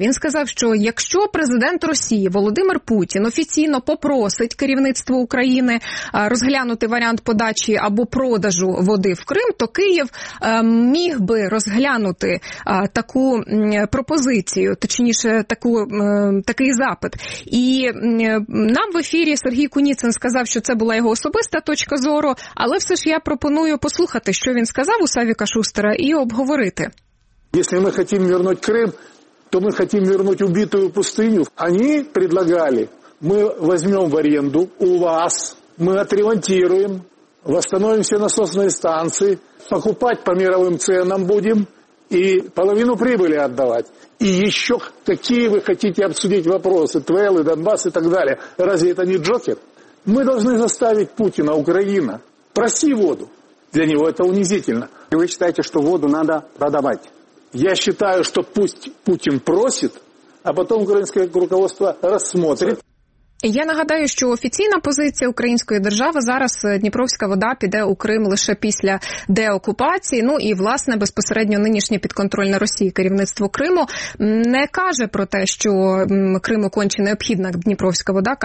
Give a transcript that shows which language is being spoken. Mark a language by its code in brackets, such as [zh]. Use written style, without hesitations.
[uk] Він сказав, що якщо президент Росії Володимир Путін офіційно попросить керівництво України розглянути варіант подачі або продажу води в Крим, то Київ міг би розглянути таку пропозицію, точніше, такий запит. І нам в ефірі Сергій Куніцин сказав, що це була його особиста точка зору, але все ж я пропоную послухати, що він сказав у Савіка Шустера, і обговорити. [ru] Если мы хотим вернуть Крым, то мы хотим вернуть убитую пустыню. Они предлагали, мы возьмем в аренду у вас, мы отремонтируем, восстановим все насосные станции, покупать по мировым ценам будем и половину прибыли отдавать. И еще какие вы хотите обсудить вопросы, ТВЛ, Донбасс и так далее. Разве это не Джокер? Мы должны заставить Путина, Украина, проси воду. Для него это унизительно. И вы считаете, что воду надо продавать? Я считаю, что пусть Путин просит, а потом украинское руководство рассмотрит. [uk] Я нагадаю, що офіційна позиція української держави зараз Дніпровська вода піде у Крим лише після деокупації. Ну і, власне, безпосередньо нинішнє підконтрольне Росії керівництво Криму не каже про те, що Криму конче необхідна Дніпровська вода.